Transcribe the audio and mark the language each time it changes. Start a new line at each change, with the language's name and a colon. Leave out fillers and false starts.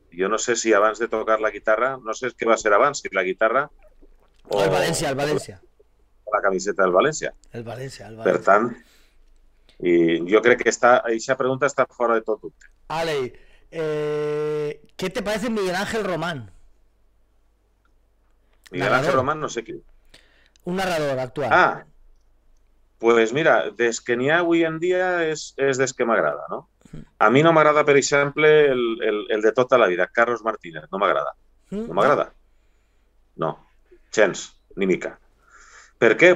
Catalan: Jo no sé si abans de tocar la guitarra, no sé què va ser abans, si la guitarra o el València, el València. La camiseta del València. El València, el València. Per tant, i jo crec que està, aquesta pregunta està fora de tot dubte.
Spanish: Ale, ¿qué te parece Miguel Ángel Román?
Catalan: Miguel narrador. Ángel Román, no sé qui. Un narrador actual. Ah, pues mira, des que n'hi ha avui en dia és des que m'agrada, no? A mi no m'agrada, per exemple, el de tota la vida, Carlos Martínez, no m'agrada. No m'agrada. No, gens, ni mica. Per què?